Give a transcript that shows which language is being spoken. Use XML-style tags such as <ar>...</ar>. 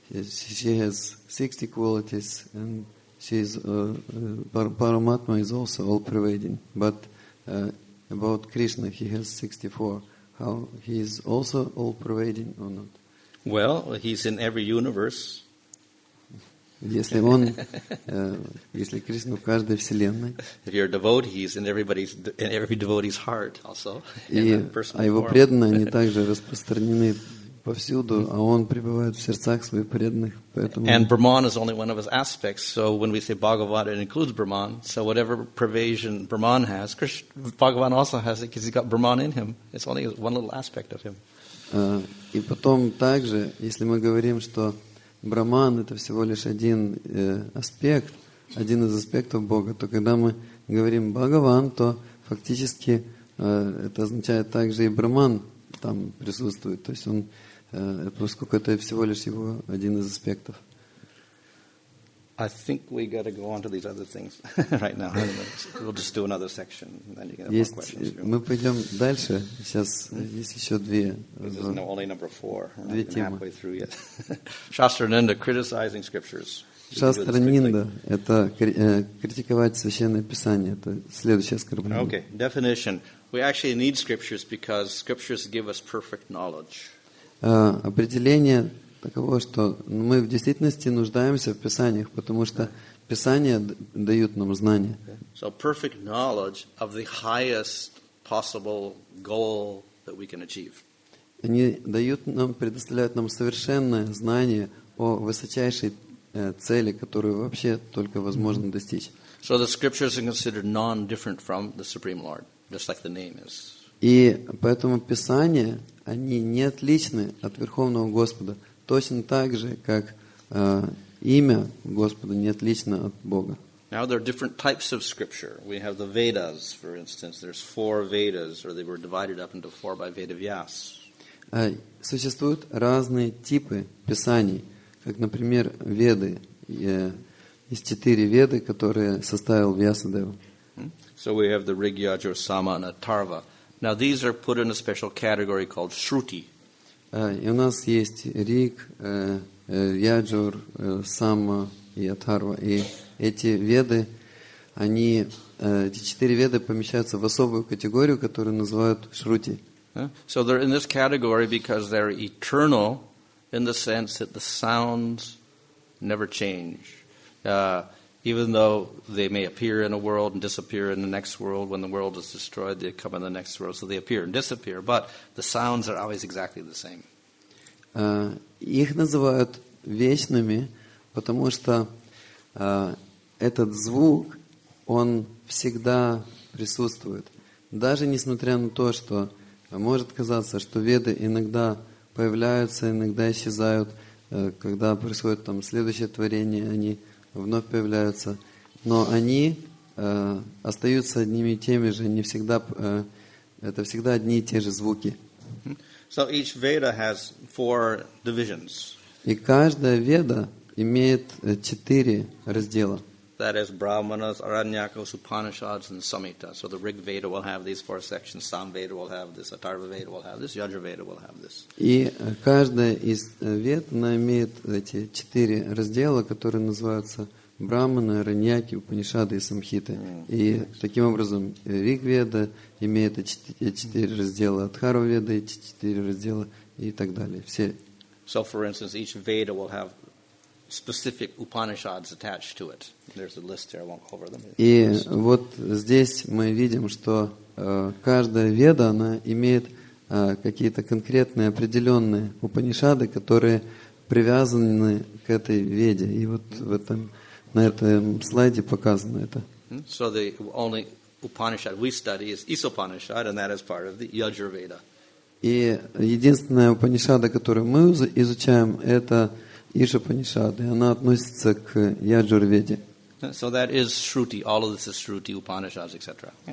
<en>She has 60 qualities, and she is Paramatma is also all-pervading. But about Krishna, he has 64. How he is also all pervading or not? Well, he's in every universe.</en> <ru>Если он, если Кришна в каждой вселенной.</ru> <en>If you're a devotee, he's in every devotee's heart also.</en> <ru>И а его преданные они также распространены повсюду, а он пребывает в сердцах своих преданных, поэтому.</ru> <en>And Brahman is only one of his aspects. So when we say Bhagavan, it includes Brahman. So whatever pervasion Brahman has, Bhagavan also has it, because he's got Brahman in him. It's only one little aspect of him.</en> <ru>И потом также, если мы говорим, что Брахман это всего лишь один аспект, один из аспектов Бога, то когда мы говорим Бхагаван, то фактически это означает также и Брахман там присутствует. То есть он, поскольку это всего лишь его один из аспектов.</ru> <en>I think we gotta go on to these other things right now. We'll just do another section, and then you can have more questions.</en> <ru>Мы пойдем дальше. Сейчас есть еще две.</ru> <en>Only number four.</en> <ru>Две темы.</ru> <en>Shastra Ninda, criticizing scriptures.</en> <ru>Shastra Ninda – это критиковать Священное Писание. Это следующее оскорбление.</ru> <en>Okay, definition. We actually need scriptures because scriptures give us perfect knowledge.</en> <ru>Определение таково, что мы в действительности нуждаемся в Писаниях, потому что Писания дают нам знания.</ru> <en>So perfect knowledge of the highest possible goal that we can achieve.</en> <ru>Они предоставляют нам совершенное знание о высочайшей цели, которую вообще только возможно достичь.</ru> <en>So the scriptures are considered non-different from the Supreme Lord, just like the name is.</en> <ru>И поэтому Писания, они не отличны от Верховного Господа, точно так же, как имя Господа не отлично от Бога.</ru> <en>Now there are different types of scripture. We have the Vedas, for instance. There's four Vedas, or they were divided up into four by Vedavyas.</en> <ru>Существуют разные типы писаний, как, например, Веды. Есть четыре Веды, которые составил Вьясадева.</ru> <en>So we have the Rig Yajur Sama and Atharva. Now these are put in a special category called Shruti.</en> <ru>И у нас есть Риг, Яджур, Сама и Атарва. И эти Веды, они, эти четыре Веды помещаются в особую категорию, которую называют Шрути.</ru> <en>So they're in this category because they're eternal in the sense that the sounds never change. Even though they may appear in a world and disappear in the next world, when the world is destroyed, they come in the next world, so they appear and disappear, but the sounds are always exactly the same.</en> <ru>Их называют вечными, потому что этот звук, он всегда присутствует. Даже несмотря на то, что может казаться, что веды иногда появляются, иногда исчезают, когда происходит там следующее творение, они вновь появляются, но они остаются одними и теми же, не всегда, это всегда одни и те же звуки.</ru> <en>So each Veda has four divisions.</en> <ru>И каждая Веда имеет четыре раздела.</ru> <en>That is Brahmanas, Aranyakas, Upanishads, and Samhita. So the Rig Veda will have these four sections, Sam Veda will have this, Atharva Veda will have this, Yajur Veda will have this.</en> <ru>И каждая из Вед, она имеет эти четыре раздела, которые называются Брахманы, Араньяки, Упанишады и Самхиты. И таким образом Риг Веда имеет эти четыре раздела, Атхарва Веда эти четыре раздела и так далее. Все.</ru> <en>So, for instance, each Veda will have specific Upanishads attached to it. There's a list there, I won't cover them.</en> <ru>И вот здесь мы видим, что каждая Веда, она имеет какие-то конкретные, определенные Упанишады, которые привязаны к этой Веде. И вот в этом, на этом слайде показано это.</ru> <en>So the only Upanishad we study is Isopanishad, and that is part of the Yajurveda.</en> <ru>И единственная Упанишада, которую мы изучаем, это Ишопанишада, и она относится к Яджурведе.</ru> <en>So that is Shruti. All of this is Shruti, Upanishads, etc.</en>